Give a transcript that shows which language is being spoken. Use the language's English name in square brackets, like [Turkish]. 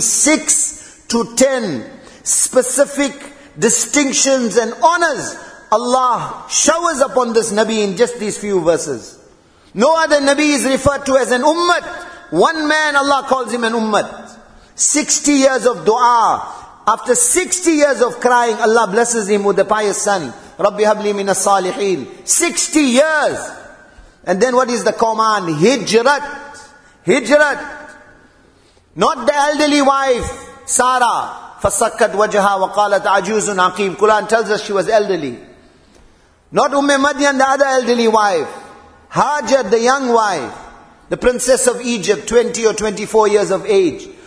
[English] 6 to 10 specific distinctions and honors Allah showers upon this Nabi in just these few verses. No other Nabi is referred to as an ummat. One man Allah calls him an ummat. 60 years of dua. After 60 years of crying, Allah blesses him with a pious son. [Arabic] رَبِّ هَبْلِي مِنَ الصَّالِحِينَ [English] 60 years. And then what is the command? Hijrat. Hijrat. Not the elderly wife, Sarah. [Arabic] فَسَكَّتْ وَجْهَا وَقَالَتْ عَجُوزٌ عَقِيمٌ. [English] Quran tells us she was elderly. Not Umme Madian, the other elderly wife. Hajar, the young wife. The princess of Egypt, 20 or 24 years of age.